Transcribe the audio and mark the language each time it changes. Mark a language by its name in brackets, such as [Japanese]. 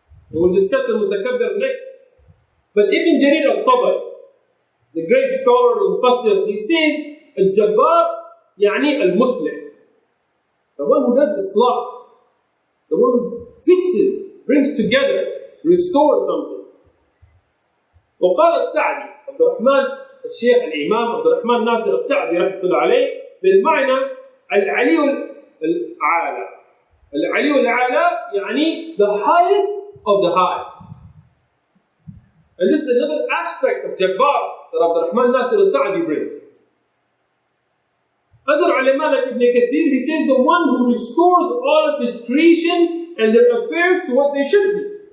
[English] And we'll discuss Al-Mutakabbir next. But Ibn Jarir Al-Tabari, the great scholar of Al-Fasir, he says, Al-Jabbar يعني Al-Muslim. The one who does islah, the one who fixes, brings together, restores something. [Arabic] وقال السعدي عبد الرحمن الشيخ الإمام عبد الرحمن ناصر السعدي رحمه الله عليه بالمعنى العلي العالى. العلي العالى يعني [English] the highest of the high. And this is another aspect of Jabbar that عبد الرحمن ناصر السعدي brings. Other ulama like Ibn Kathir, he says the one who restores all of his creation and their affairs to what they should be.